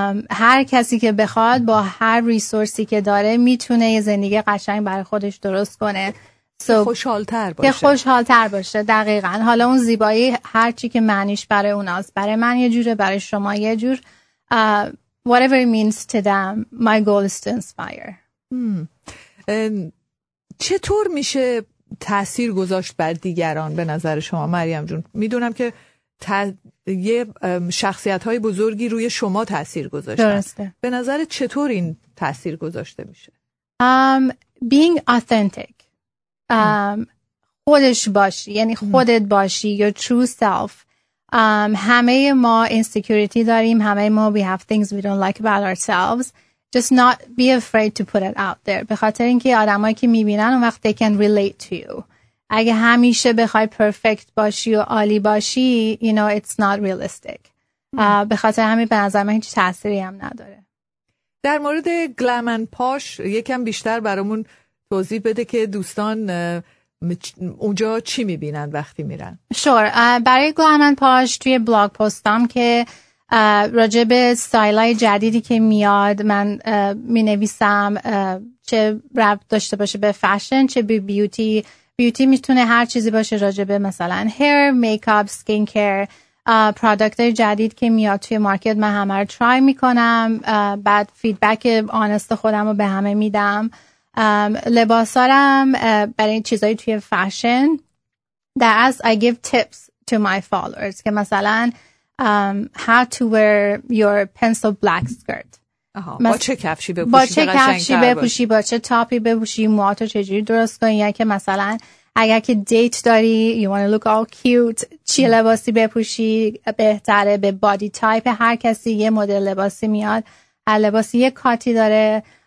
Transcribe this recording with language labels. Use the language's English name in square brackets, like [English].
[Persian] هر کسی که بخواد با هر ریسورسی که داره میتونه یه زندگی قشنگ برای خودش درست کنه که خوشحال‌تر باشه. دقیقاً. حالا اون زیبایی هر چی که معنیش برای اوناست، برای من یه جوره، برای شما یه جور. [English] Whatever it means to them, my goal is to inspire. [Persian] چطور میشه تأثیر گذاشت بر دیگران به نظر شما مریم جون؟ میدونم که یه شخصیت‌های بزرگی روی شما تأثیر گذاشتن. درسته. به نظر چطور این تأثیر گذاشته میشه؟ [English] Being authentic. [Persian] خودش باشی، یعنی خودت باشی، [English] your true self. [Persian] همه ما insecurity داریم، همه ما [English] we have things we don't like about ourselves. Just not be afraid to put it out there. [Persian] به خاطر اینکه آدم هایی که میبینن اون وقت [English] they can relate to you. [Persian] اگه همیشه بخوای perfect باشی و عالی باشی، [English] you know it's not realistic. [Persian] به خاطر همین به نظر من هیچ تأثیری هم نداره. در مورد glam and posh یکم بیشتر برامون توضیح بده که دوستان اونجا چی میبینن وقتی میرن. برای گلامن پاش توی بلاگ پستام که راجب سایلای جدیدی که میاد من مینویسم، چه رب داشته باشه به فشن چه به بیوتی. بیوتی میتونه هر چیزی باشه، راجب مثلا هیر، میکاپ، سکین کیر، پرادکت جدید که میاد توی مارکت من همه رو ترای میکنم، بعد فیدبک آنست خودم رو به همه میدم. لباسارم برای چیزایی توی فشن در از [English] I give tips to my followers [Persian] که مثلا [English] how to wear your pencil black skirt. [Persian] با چه کفشی بپوشی با چه تاپی بپوشی، موهاتو چجوری درست کنی، یا که مثلا اگر که دیت داری [English] you wanna look all cute [Persian] چی لباسی بپوشی بهتره. به بادی تایپ هر کسی یه مدل لباسی میاد، هر لباسی یه کاتی داره.